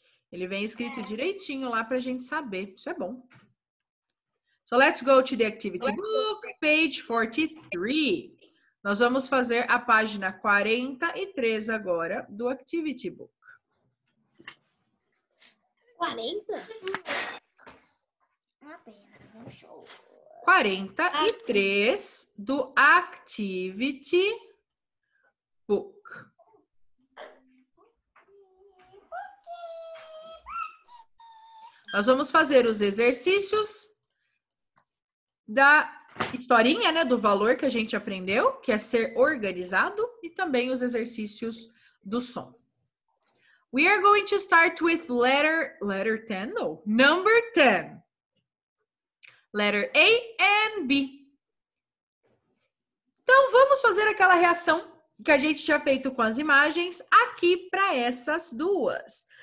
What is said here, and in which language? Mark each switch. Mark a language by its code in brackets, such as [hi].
[pt] Ele vem escrito direitinho lá pra gente saber. Isso é bom. [en] So, let's go to the activity book, page 43. [pt] Nós vamos fazer a página 43 agora do Activity Book. 40? Show. 43 do Activity Book. Nós vamos fazer os exercícios da historinha, né, do valor que a gente aprendeu, que é ser organizado, e também os exercícios do som. [en] We are going to start with letter 10, no, number 10. Letter A and B. [pt] Então, vamos fazer aquela reação que a gente tinha feito com as imagens aqui para essas duas.